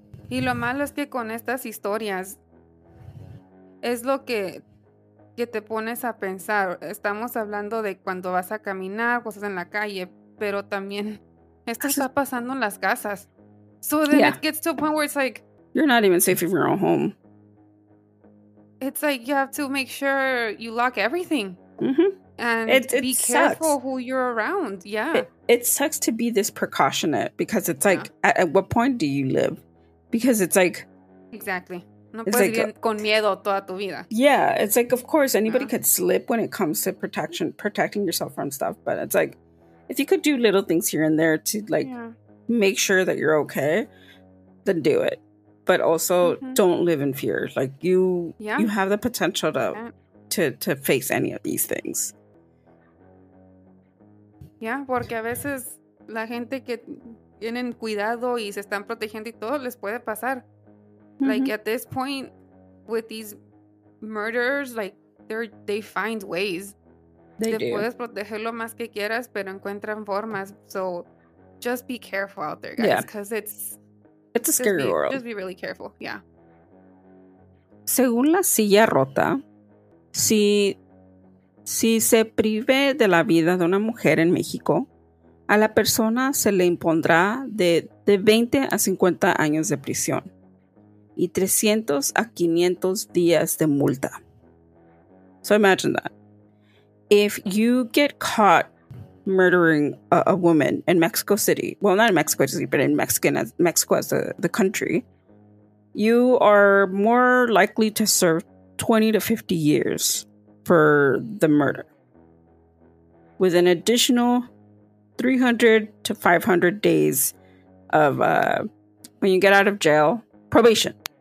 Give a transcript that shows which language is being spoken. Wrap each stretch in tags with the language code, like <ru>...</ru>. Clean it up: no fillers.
<es>Y lo malo es que con estas historias es lo que te pones a pensar. Estamos hablando de cuando vas a caminar, cosas en la calle, pero también esto está pasando en las casas.</es> <en>So then it gets to a point where it's like, you're not even safe in your own home. It's like you have to make sure you lock everything. Mm-hmm. And it be careful who you're around. Yeah. It sucks to be this precautionate, because it's like, at what point do you live? Because it's like... Exactly.</en> <es>No puedes vivir con miedo toda tu vida.</es> <en>Yeah. It's like, of course, anybody could slip when it comes to protecting yourself from stuff. But it's like, if you could do little things here and there to like make sure that you're okay, then do it. But also don't live in fear. Like you have the potential to face any of these things.</en> <es>Yeah, porque a veces la gente que tienen cuidado y se están protegiendo y todo les puede pasar.</es> <en>Mm-hmm. Like at this point, with these murders, like they find ways. They do.</en> <es>Puedes proteger lo más que quieras, pero encuentran formas.</es> <en>So just be careful out there, guys, because it's a scary world. Just be really careful. Yeah.</en> <es>Según la silla rota, si Si se prive de la vida de una mujer en México, a la persona se le impondrá de 20 a 50 años de prisión y 300 a 500 días de multa.</es> <en>So imagine that. If you get caught murdering a woman in Mexico City, well, not in Mexico City, but in Mexico as the country, you are more likely to serve 20 to 50 years for the murder, with an additional 300 to 500 days of when you get out of jail, probation.</en>